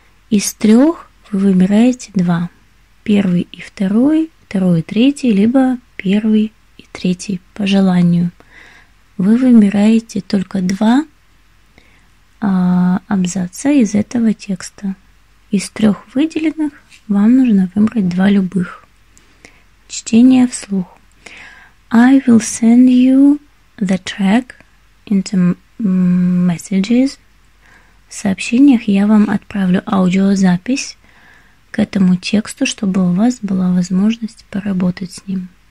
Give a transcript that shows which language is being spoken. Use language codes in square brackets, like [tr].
[ru] Из трех вы выбираете два. Первый и второй, второй и третий, либо первый и третий по желанию. Вы выбираете только два абзаца из этого текста. Из трех выделенных вам нужно выбрать два любых. Чтение вслух. [en] I will send you the track into messages. [ru] В сообщениях я вам отправлю аудиозапись к этому тексту, чтобы у вас была возможность поработать с ним.